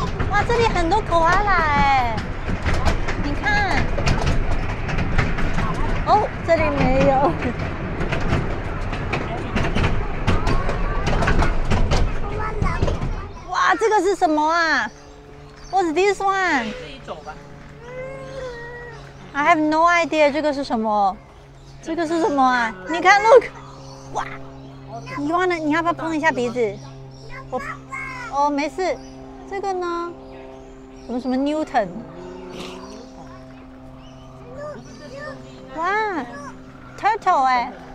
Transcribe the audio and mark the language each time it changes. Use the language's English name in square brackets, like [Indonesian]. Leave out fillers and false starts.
[Chinese] 哇，这里很多可爱啦，哎，你看，哦，这里没有。哇，这个是什么啊 ？ [English] What's this one？ [Chinese] 自己走吧。嗯， [English] I have no idea， [Chinese] 这个是什么？这个是什么啊？你看 ， [English] look， [Chinese] 哇，你忘了，你要不要碰一下鼻子？我，哦，没事，这个呢？什么什么 Newton？哇 ，Turtle 哎